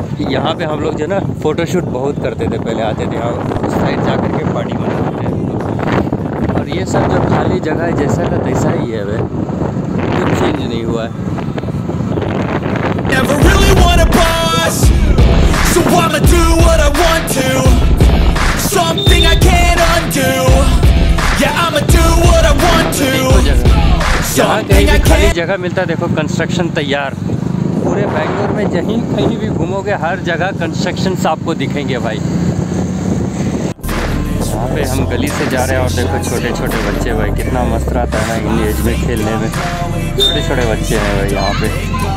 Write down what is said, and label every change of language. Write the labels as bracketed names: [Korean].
[Hindi] यहाँ पे हम लोग जो है ना फोटोशूट बहुत करते थे पहले, आते थे यहाँ उस साइड जा कर के पार्टी मनाते थे, और ये सब जो खाली जगह है जैसा का तैसा ही है, वह कुछ चेंज नहीं हुआ है। [English] Never really wanna boss, so I'ma do what I want to, something I can't undo, yeah I'ma do what I want to। [Hindi] यहाँ कहीं भी खाली जगह मिलता देखो कंस्ट्रक्शन तैयार, पूरे बैंगलोर में जहीं कहीं भी घूमोगे हर जगह कंस्ट्रक्शन आपको दिखेंगे भाई। यहाँ पे हम गली से जा रहे हैं और देखो छोटे छोटे बच्चे भाई, कितना मस्त रहता है ना इन एज में खेलने में, छोटे छोटे बच्चे हैं भाई यहाँ पे।